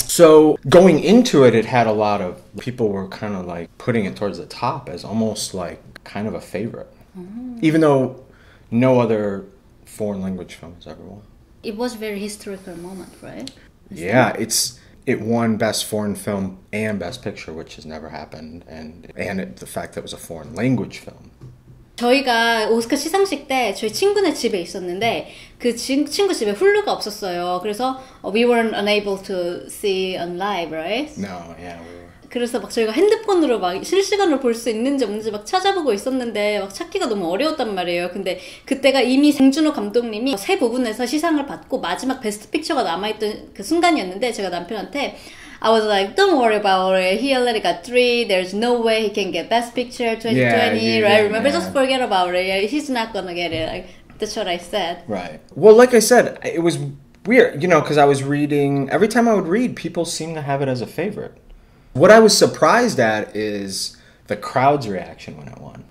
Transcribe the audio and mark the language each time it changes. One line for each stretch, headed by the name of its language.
English: So going into it, it had a lot of, people were kind of like putting it towards the top as almost like kind of a favorite. Even though no other foreign language films ever won. It was a very historical moment, right? It won Best Foreign Film and Best Picture, which has never happened. And the fact that it was a foreign language film.
Korean: 저희가 오스카 시상식 때 저희 친구네 집에 있었는데 그 친구 집에 훌루가 없었어요.
English: 그래서 we weren't unable to see on live, right? No, yeah, we were.
Korean: 그래서 막 저희가 핸드폰으로 막 실시간으로 볼 수 있는지 없는지 막 찾아보고 있었는데 막 찾기가 너무 어려웠단 말이에요. 근데 그때가 이미 봉준호 감독님이 세 부분에서 시상을 받고 마지막 베스트 픽처가 남아있던 그 순간이었는데 제가 남편한테
English: I was like, don't worry about it. He already got three. There's no way he can get best picture 2020, right? Remember, just forget about it. He's not gonna get it. Like, that's what I said. Right. Well, like I said, it was weird, you know, because I was reading, every time I would read, people seem to have it as a favorite. What I was surprised at is the crowd's reaction when it won.